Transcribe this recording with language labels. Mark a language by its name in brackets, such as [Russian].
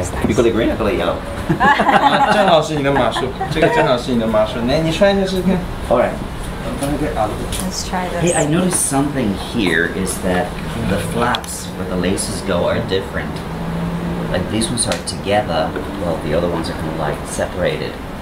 [English] Nice. Can you call it green or call it yellow? [Chinese] 正好是你的码数，这个正好是你的码数。来，你穿一下试试看。 [English] All right. Let's try this. Hey, I noticed something here is that the flaps where the laces go are different. Like these ones are together, while the other ones are kind of like separated.